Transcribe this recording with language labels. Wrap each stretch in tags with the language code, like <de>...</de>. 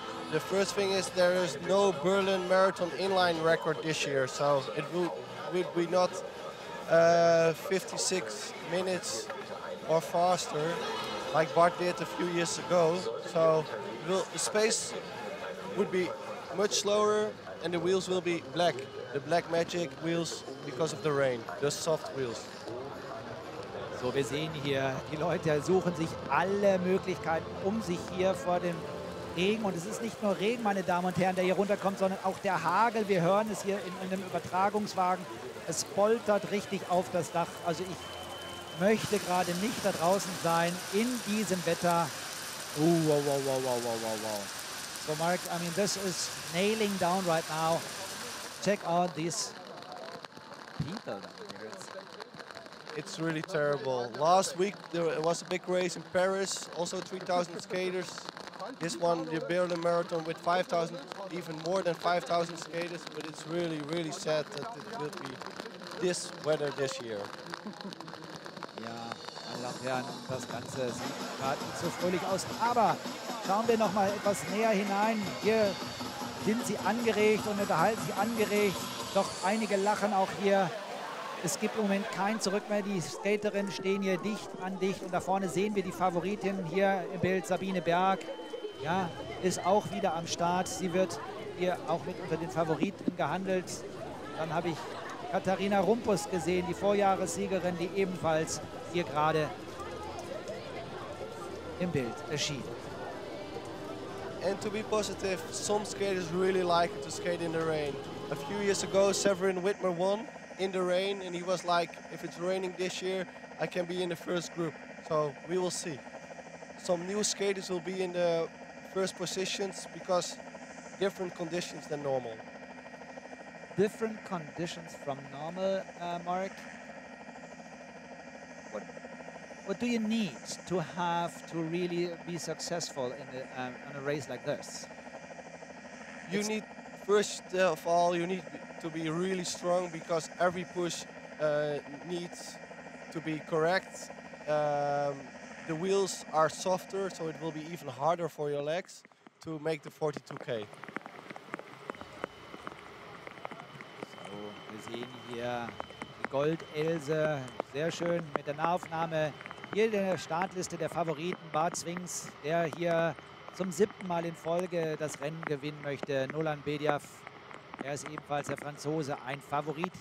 <en>The first thing is there is no Berlin Marathon inline record this year, so it would be not 56 minutes or faster like Bart did a few years ago. So the space would be much slower and the wheels will be black. The black magic wheels because of the rain, the soft wheels.</en> <de>So, wir sehen hier, die Leute suchen sich alle Möglichkeiten, um sich hier vor dem Regen. Und es ist nicht nur Regen, meine Damen und Herren, der hier runterkommt, sondern auch der Hagel. Wir hören es hier in dem Übertragungswagen. Es poltert richtig auf das Dach. Also ich möchte gerade nicht da draußen sein in diesem Wetter. Wow.</de> <en>So Mark, I mean, this is nailing down right now. Check out these people down here. It's really terrible. Last week there was a big race in Paris, also 3,000 skaters. This one, the Berlin Marathon, with 5,000, even more than 5,000 skaters, but it's really, really sad that it will be this weather this year.</en> <de>Ja, meine Damen und Herren, das Ganze sieht gerade nicht so fröhlich aus. Aber schauen wir noch mal etwas näher hinein. Hier sind sie angeregt und unterhalten sich angeregt. Doch einige lachen auch hier. Es gibt im Moment kein Zurück mehr. Die Skaterinnen stehen hier dicht an dicht. Und da vorne sehen wir die Favoritin hier im Bild, Sabine Berg. Ja, ist auch wieder am Start. Sie wird hier auch mit unter den Favoriten gehandelt. Dann habe ich Katharina Rumpus gesehen, die Vorjahressiegerin, die ebenfalls hier gerade im Bild erschien.</de> <en>And to be positive, some skaters really like to skate in the rain. A few years ago, Severin Whitmer won in the rain and he was like, if it's raining this year, I can be in the first group. So we will see. Some new skaters will be in the first positions because different conditions than normal. Different conditions from normal, Mark. What do you need to have to really be successful in a race like this? First of all, you need to be really strong because every push needs to be correct. The wheels are softer, so it will be even harder for your legs to make the 42K.</en> <de>So, wir sehen hier Gold Else, sehr schön mit der Nahaufnahme Teil der Startliste der Favoriten, Bart Swings, der hier zum 7. Mal in Folge das Rennen gewinnen möchte. Nolan Bediaf, er ist ebenfalls der Franzose, ein Favorit.</de>